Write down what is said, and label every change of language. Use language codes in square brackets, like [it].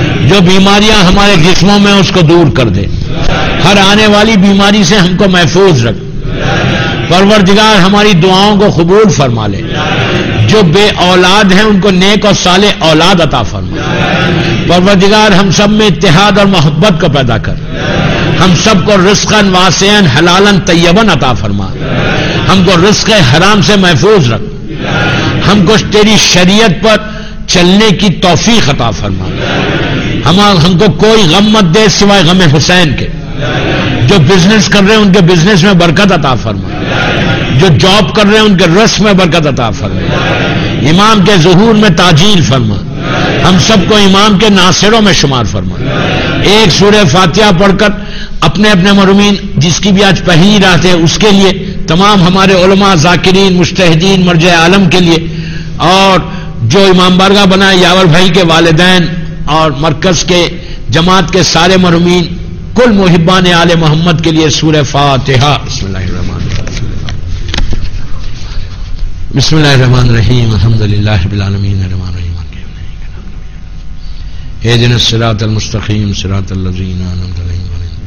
[ur] جو بیماریاں ہمارے جسموں میں اس کو دور کر دے. ہر آنے والی بیماری سے ہم کو محفوظ رکھ. پروردگار ہماری دعاؤں کو قبول فرما لے. جو بے اولاد ہیں ان کو نیک اور صالح اولاد عطا فرما. پروردگار ہم سب میں اتحاد اور محبت کو پیدا کر. ہم سب کو [ar] رزقاً واسعاً حلالاً طیباً [ur] عطا فرما. ہم کو رزق حرام سے محفوظ رکھ. ہم کو تیری شریعت پر چلنے کی توفیق عطا فرما. ہم کو کوئی غم مت دے سوائے غم حسین کے. جو بزنس کر رہے ہیں ان کے بزنس میں برکت عطا فرما. جو جاب کر رہے ہیں ان کے رزق میں برکت عطا فرما. امام کے ظہور میں تاجیل فرما. ہم سب کو امام کے ناصروں میں شمار فرما. ایک سورہ فاتحہ پڑھ کر اپنے اپنے مرحومین جس کی بھی آج پہلی رات ہے اس کے لیے، تمام ہمارے علماء، ذاکرین، مجتہدین، مرجع عالم کے لیے، اور جو امام بارگاہ بنائے یاور بھائی کے والدین اور مرکز کے جماعت کے سارے مرحومین، کل محبان آل محمد کے لیے سورہ فاتحہ. [ar] بسم اللہ الرحمن الرحیم. بسم اللہ الرحمن الرحیم. الحمدللہ رب العالمین، الرحمن الرحیم، اهدنا الصراط المستقيم صراط الذين انعمت عليهم